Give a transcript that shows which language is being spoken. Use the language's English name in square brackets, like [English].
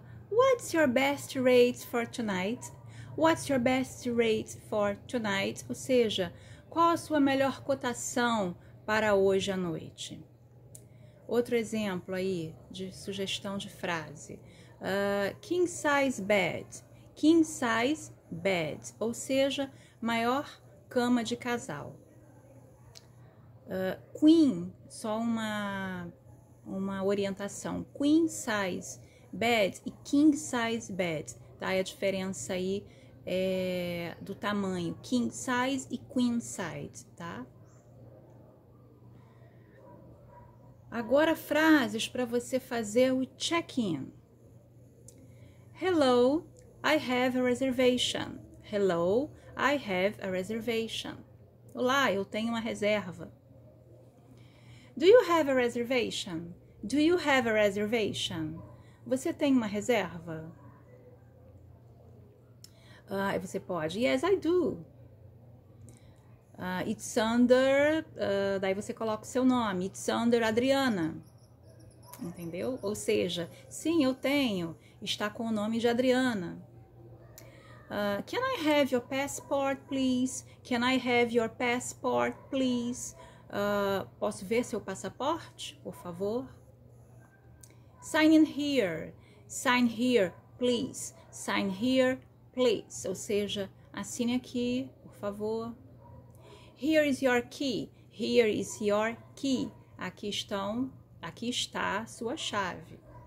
[English] What's your best rate for tonight? What's your best rate for tonight? [Portuguese] Ou seja, qual a sua melhor cotação para hoje à noite? Outro exemplo aí de sugestão de frase. [English] King size bed. King size bed. [Portuguese] Ou seja, maior cama de casal. Queen, só uma orientação. Queen size bed e king size bed, tá? É a diferença aí do tamanho. King size e queen size, tá? Agora frases para você fazer o check-in. [English] Hello, I have a reservation. Hello, I have a reservation. [Portuguese] Olá, eu tenho uma reserva. [English] Do you have a reservation? Do you have a reservation? [Portuguese] Você tem uma reserva? Você pode. [English] Yes, I do. It's under. [Portuguese] Daí você coloca o seu nome. [English] It's under Adriana. [Portuguese] Entendeu? Ou seja, sim, eu tenho. Está com o nome de Adriana. [English] Can I have your passport, please? Can I have your passport, please? [Portuguese] Posso ver seu passaporte, por favor? [English] Sign in here. Sign here, please. Sign here, please. [Portuguese] Ou seja, assine aqui, por favor. [English] Here is your key. Here is your key. [Portuguese] Aqui está a sua chave.